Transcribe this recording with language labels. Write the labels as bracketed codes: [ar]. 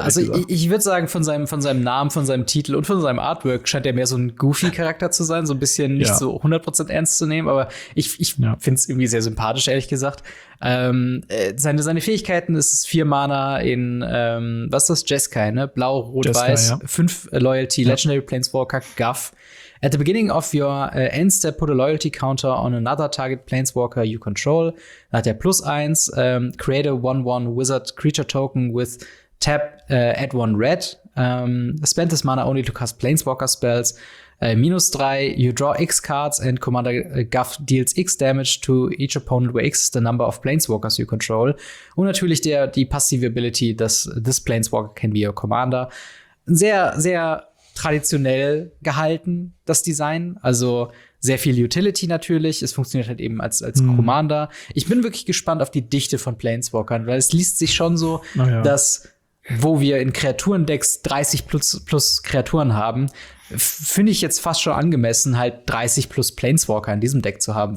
[de] Ja, also ich würde sagen, von seinem Namen, von seinem Titel und von seinem Artwork scheint er mehr so ein Goofy-Charakter zu sein. So ein bisschen nicht so 100% ernst zu nehmen. Aber ich finde es irgendwie sehr sympathisch, ehrlich gesagt. Seine Fähigkeiten ist 4 Mana in, was ist das? Jeskai, ne? Blau, Rot, Jeskai, Weiß. Ja. 5 Loyalty, Legendary Planeswalker, Guff. [en] At the beginning of your end step, put a Loyalty Counter on another target Planeswalker you control. [de] Da hat er [en] +1. Create a 1/1 Wizard Creature Token with Tap, add 1 Red. Spend this mana only to cast Planeswalker Spells. -3, you draw X cards and Commander Guff deals X damage to each opponent where X is the number of Planeswalkers you control. [de] Und natürlich die passive Ability, dass [en] this Planeswalker can be your Commander. [de] Sehr, sehr traditionell gehalten, das Design. Also sehr viel Utility natürlich. Es funktioniert halt eben als Commander. Ich bin wirklich gespannt auf die Dichte von Planeswalkern, weil es liest sich schon so, dass wo wir in Kreaturendecks 30 plus Kreaturen haben, finde ich jetzt fast schon angemessen, halt 30 plus Planeswalker in diesem Deck zu haben.